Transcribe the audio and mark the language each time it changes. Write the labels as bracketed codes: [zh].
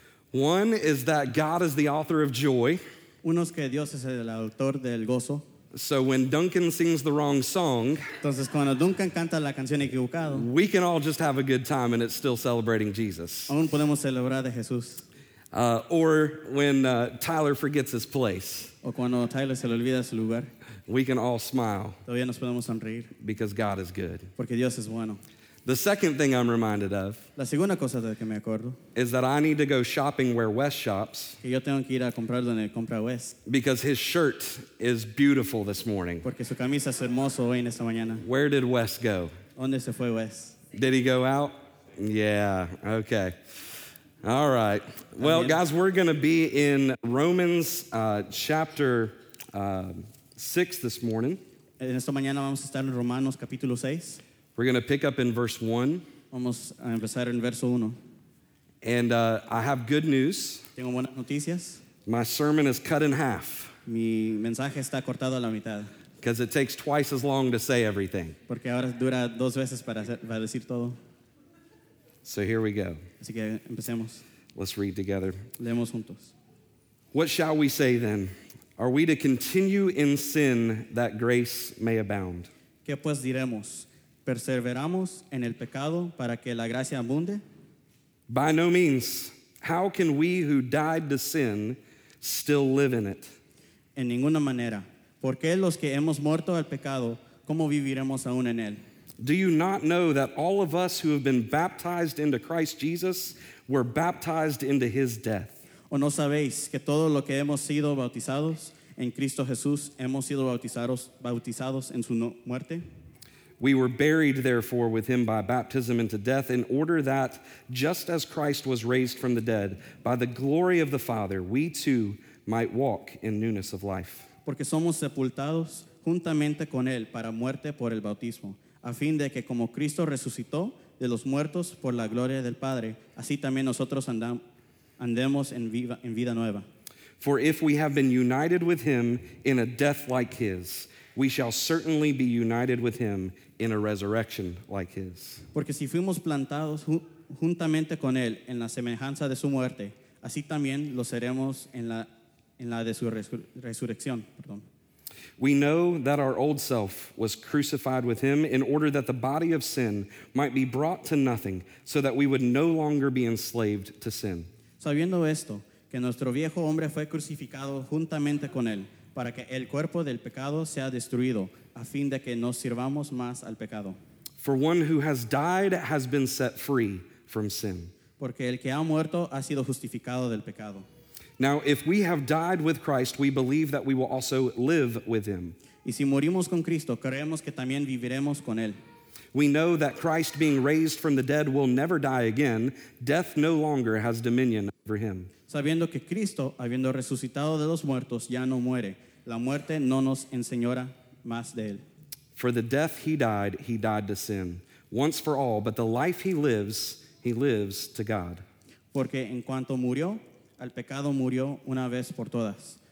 [en] One is that God is the author of joy. [es] Uno es que Dios es el autor del gozo. [en] So when Duncan sings the wrong song, [es] entonces, cuando Duncan canta la canción equivocado, [en] we can all just have a good time and it's still celebrating Jesus. [es] Aún podemos celebrar de Jesús. [en] Or when Tyler forgets his place, [es] o cuando Tyler se le olvida su lugar, [en] we can all smile. [es] Todavía nos podemos sonreír, [en] because God is good. [es] Porque Dios es bueno. [en] The second thing I'm reminded of, [es] la segunda cosa de que me acuerdo, [en] is that I need to go shopping where Wes shops, [es] que yo tengo que ir a comprar donde compra Wes, [en] because his shirt is beautiful this morning. [es] Porque su camisa es hermoso hoy en esta mañana. [en] Where did Wes go? [es] ¿Dónde se fue Wes? [en] Did he go out? Yeah, okay. All right. Well, guys, we're going to be in Romans chapter 6 this morning. [es] En esta mañana vamos a estar en Romanos capítulo 6. [en] We're going to pick up in verse 1. [es] Vamos a empezar en verso 1. [en] And I have good news. [es] Tengo buenas noticias. [en] My sermon is cut in half. [es] Mi mensaje está cortado a la mitad. [en] Because it takes twice as long to say everything. [es] Porque ahora dura dos veces para decir todo. [en] So here we go. [es] Así que empecemos. [en] Let's read together. [es] Leemos juntos. [en] What shall we say then? Are we to continue in sin that grace may abound? [es] ¿Qué pues diremos? ¿Perseveramos en el pecado para que la gracia abunde? [en] By no means. How can we who died to sin still live in it? [es] En ninguna manera. ¿Por qué los que hemos muerto al pecado, cómo viviremos aún en él? [en] Do you not know that all of us who have been baptized into Christ Jesus were baptized into his death? [es] ¿O no sabéis que todo lo que hemos sido bautizados en Cristo Jesús hemos sido bautizados en su muerte? [en] We were buried, therefore, with him by baptism into death, in order that, just as Christ was raised from the dead, by the glory of the Father, we too might walk in newness of life. [es] Porque somos sepultados juntamente con él para muerte por el bautismo, a fin de que como Cristo resucitó de los muertos por la gloria del Padre, así también nosotros andemos en vida nueva. [en] For if we have been united with him in a death like his, we shall certainly be united with him in a resurrection like his. [es] Porque si fuimos plantados juntamente con él en la semejanza de su muerte, así también lo seremos en la de su resurrección. Perdón. [en] We know that our old self was crucified with him in order that the body of sin might be brought to nothing, so that we would no longer be enslaved to sin. [es] Sabiendo esto, que nuestro viejo hombre fue crucificado juntamente con él, para que el cuerpo del pecado sea destruido, a fin de que no sirvamos más al pecado. [en] For one who has died has been set free from sin. [es] Porque el que ha muerto ha sido justificado del pecado. [en] Now, if we have died with Christ, we believe that we will also live with him. [es] Y si morimos con Cristo, creemos que también viviremos con él. [en] We know that Christ, being raised from the dead, will never die again. Death no longer has dominion over him. [es] Sabiendo que Cristo, habiendo resucitado de los muertos, ya no muere, la muerte no nos enseñora más de él. [en] For the death he died to sin, once for all, but the life he lives to God. [es] Porque en cuanto murió, al pecado murió una vez por todas.